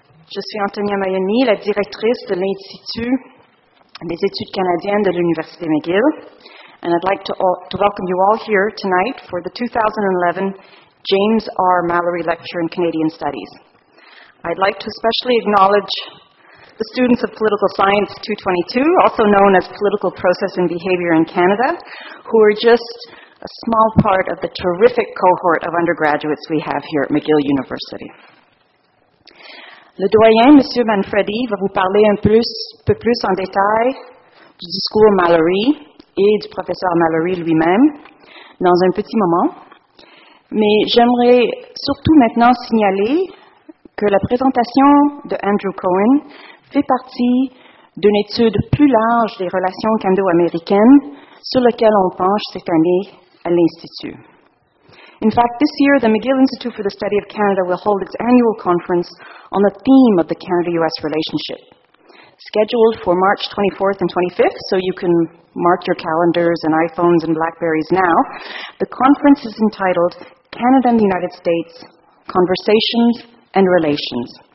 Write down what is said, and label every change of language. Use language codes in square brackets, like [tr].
[fr] Je suis Antonia Mayoni, la directrice de l'Institut des études canadiennes de l'Université McGill. [en] And I'd like to welcome you all here tonight for the 2011 James R. Mallory Lecture in Canadian Studies. I'd like to especially acknowledge the students of Political Science 222, also known as Political Process and Behavior in Canada, who are just a small part of the terrific cohort of undergraduates we have here at McGill University. [fr] Le doyen, M. Manfredi, va vous parler un peu plus en détail du discours Mallory et du professeur Mallory lui-même dans un petit moment. Mais j'aimerais surtout maintenant signaler que la présentation de Andrew Cohen fait partie d'une étude plus large des relations canado-américaines sur laquelle on penche cette année à l'Institut. [en] In fact, this year, the McGill Institute for the Study of Canada will hold its annual conference on the theme of the Canada-U.S. relationship, scheduled for March 24th and 25th, so you can mark your calendars and iPhones and Blackberries now. The conference is entitled Canada and the United States, Conversations and Relations.